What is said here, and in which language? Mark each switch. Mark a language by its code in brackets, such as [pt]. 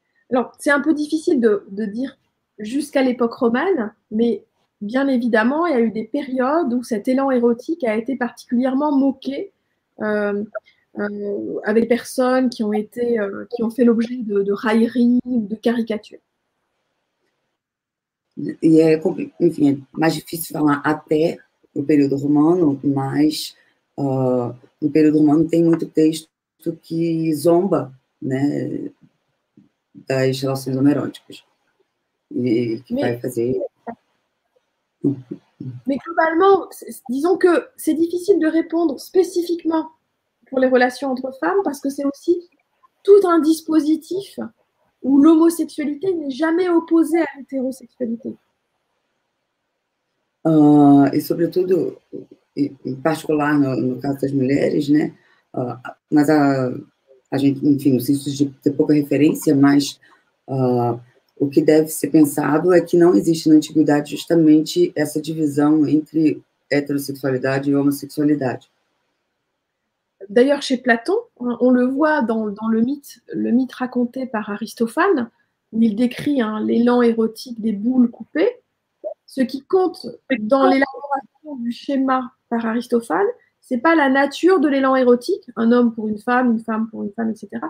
[fr] Alors, c'est un peu difficile de dire jusqu'à l'époque romaine, mais Bien évidemment, il y a eu des périodes où cet élan érotique a été particulièrement moqué avec des personnes qui ont été, qui ont fait l'objet de railleries ou de caricatures. [pt] E é, enfim, é mais difícil falar até o período romano, mas no período romano tem muito texto que zomba, né, das relações homeróticas. E que vai fazer... [fr] Mais globalement, disons que c'est difficile de répondre spécifiquement pour les relations entre femmes parce que c'est aussi tout un dispositif où l'homosexualité n'est jamais opposée à l'hétérosexualité. [pt] Et sobretudo, [fr] en particulier [pt] no, no caso das mulheres, né? Mas a gente, enfim, no sentido de ter pouca referência, mas. O que deve ser pensado é que não existe na antiguidade justamente essa divisão entre heterossexualidade e homossexualidade. [fr] D'ailleurs, chez Platon, on le voit dans le mythe raconté par Aristophane, où il décrit hein, l'élan érotique des boules coupées. Ce qui compte dans l'élaboration du schéma par Aristophane, c'est pas la nature de l'élan érotique, un homme pour une femme pour une femme, etc.